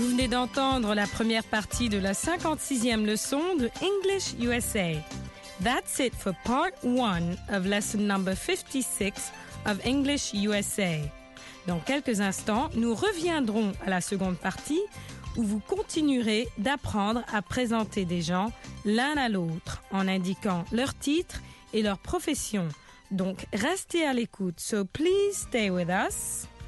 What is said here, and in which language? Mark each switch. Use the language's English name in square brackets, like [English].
[French] D'entendre la première partie de la 56e leçon de English USA. [English] That's it for part 1 of lesson number 56 of English USA. [French] Dans quelques instants, nous reviendrons à la seconde partie où vous continuerez d'apprendre à présenter des gens l'un à l'autre en indiquant leur titre et leur profession. Donc, restez à l'écoute. [English] So please stay with us.